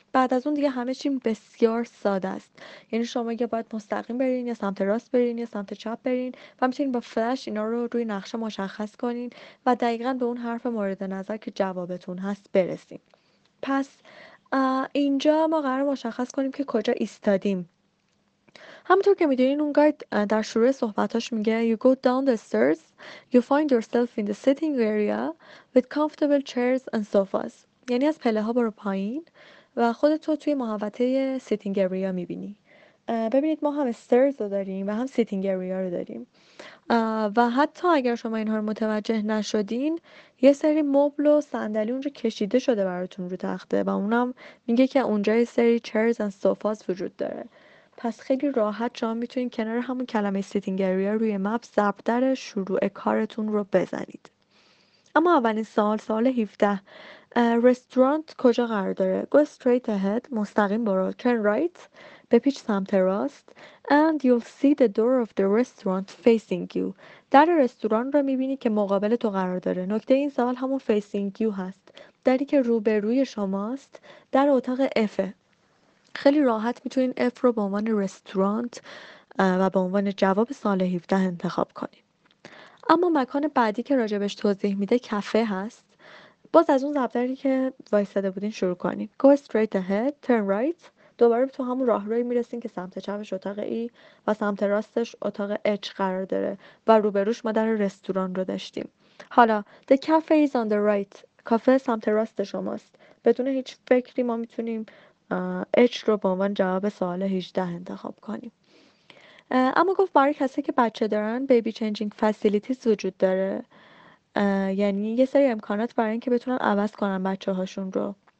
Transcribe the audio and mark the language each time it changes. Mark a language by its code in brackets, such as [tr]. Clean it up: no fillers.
[fa] بعد از اون دیگه همه چیم بسیار ساده است. یعنی شما یا باید مستقیم برین یا سمت راست برین یا سمت چپ برین و همچنین با فلش اینا رو روی نقشه مشخص کنین و دقیقا به اون حرف مورد نظر که جوابتون هست برسیم. پس اینجا ما قرار مشخص کنیم که کجا ایستادیم. همونطور که میدونین اون گاید در شروع صحبتاش میگه [en] You go down the stairs, you find yourself in the sitting area with comfortable chairs and sofas. [fa] یعنی از پله ها برو پایین و خودت رو توی محوطه sitting area میبینی. ببینید ما هم stairs رو داریم و هم sitting area رو داریم. و حتی اگر شما اینها رو متوجه نشدین یه سری مبل و صندلی اونجا کشیده شده براتون رو تخته و اونم میگه که اونجا یه سری [en] chairs and sofas [fa] وجود داره. پس خیلی راحت شما میتونید کنار همون کلمه سیتینگ اریا روی مپ ضربدر شروع کارتون رو بزنید. اما اولین سوال، سوال 17، رستوران کجا قرار داره؟ [en] Go straight ahead، [fa] مستقیم برو. [en] Turn right، [fa] بپیچ سمت راست. [en] And you'll see the door of the restaurant facing you. [fa] در رستوران رو میبینی که مقابل تو قرار داره. نکته این سوال همون [en] facing you [fa] هست. دری که روبروی شماست، در اتاق افه. خیلی راحت میتونین اف رو به عنوان رستورانت و به عنوان جواب سال 17 انتخاب کنین. اما مکان بعدی که راجبش توضیح میده کافه هست. باز از اون ضربدری که وایساده بودین شروع کنین. [en] Go straight ahead, turn right. [fa] دوباره تو همون راهروی میرسین که سمت چپش اتاق ای و سمت راستش اتاق اچ قرار داره و روبروش ما در رستوران رو داشتیم. حالا [en] the cafe is on the right. [fa] کافه سمت راست شماست. بدون هیچ فکری ما میتونیم H رو به عنوان جواب سوال 18 انتخاب کنیم. اما گفت برای کسی که بچه دارن بیبی چنجینگ فسیلیتیز وجود داره، یعنی یه سری امکانات برای اینکه بتونن عوض کنن بچه هاشون رو.